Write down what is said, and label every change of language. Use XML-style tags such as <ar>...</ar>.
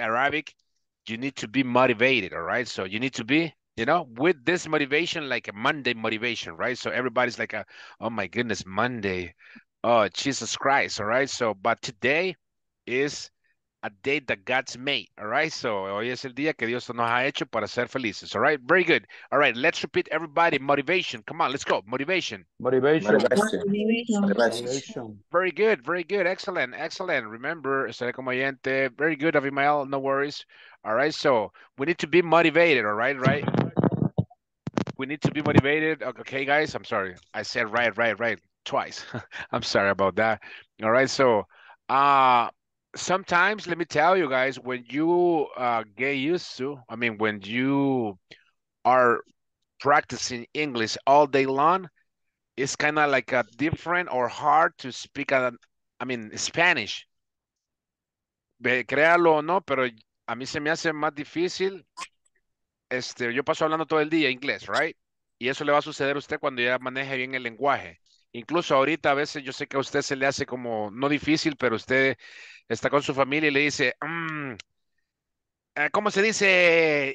<en>Arabic, you need to be motivated, all right? So you need to be, with this motivation, like a Monday motivation, right? So everybody's like, oh my goodness, Monday. Oh, Jesus Christ, all right? So, but today is a day that God's made, all right?</en> <es>So hoy es el día que Dios nos ha hecho para ser felices, all right?</es> <en>Very good. All right, let's repeat everybody. Motivation. Come on, let's go. Motivation. Motivation. Motivation. Motivation. Very good, very good. Excellent, excellent. Remember,</en> <es>seré como oyente.</es> <en>Very good, Abimael, no worries. All right, so we need to be motivated, all right, right? We need to be motivated. Okay, guys, I'm sorry. I said right twice. I'm sorry about that. All right, so... sometimes, let me tell you guys, when you get used to, when you are practicing English all day long, it's kind of like a different or hard to speak, Spanish.</en> <es>Créalo o no, pero a mí se me hace más difícil. Yo paso hablando todo el día inglés, right? Y eso le va a suceder a usted cuando ya maneje bien el lenguaje. Incluso ahorita, a veces, yo sé que a usted se le hace como, no difícil, pero usted... está con su familia y le dice, ¿cómo se dice?</es>